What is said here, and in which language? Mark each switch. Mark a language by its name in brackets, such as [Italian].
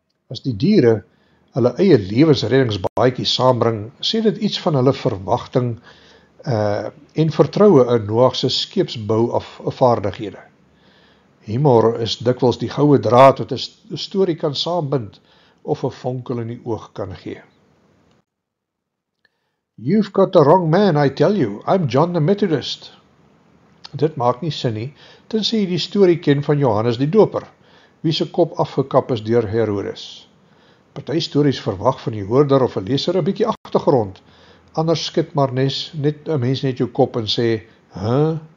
[Afrikaans] As die diere hulle eie lewensreddingsbaadjie saambring, sê dit iets van hulle verwagting en vertroue in Noag se skeepsbou af vaardighede. Humor is dikwels die goue draad wat 'n storie kan saambind of 'n vonkel in die oog kan gee. [English] "You've got the wrong man, I tell you. I'm John the Methodist." [Afrikaans] Dit maak nie sin nie, tensy jy die storie ken van Johannes die Doper, wie se kop afgekap is deur Herodes. Party stories verwag van die hoorder of 'n leser 'n bietjie agtergrond. Anders skit maar net 'n mens net jou kop en sê, "Huh?"